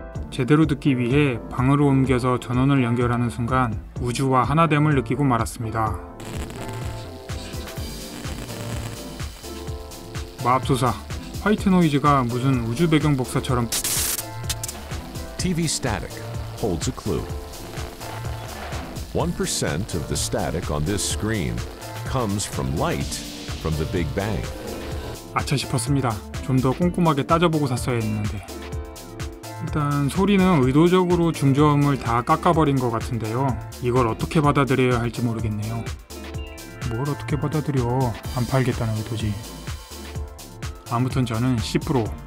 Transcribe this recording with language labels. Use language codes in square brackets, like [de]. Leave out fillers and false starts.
[ko] 제대로 듣기 위해 방으로 옮겨서 전원을 연결하는 순간 우주와 하나됨을 느끼고 말았습니다. 마법소사, 화이트 노이즈가 무슨 우주 배경 복사처럼 [en] TV static holds a clue. 1% of the static on this screen comes from light from the Big Bang. [ko] 아차 싶었습니다. 좀 더 꼼꼼하게 따져보고 샀어야 했는데. 일단 소리는 의도적으로 중저음을 다 깎아버린 것 같은데요. 이걸 어떻게 받아들여야 할지 모르겠네요. 뭘 어떻게 받아들여. 안 팔겠다는 의도지. 아무튼 저는 10%.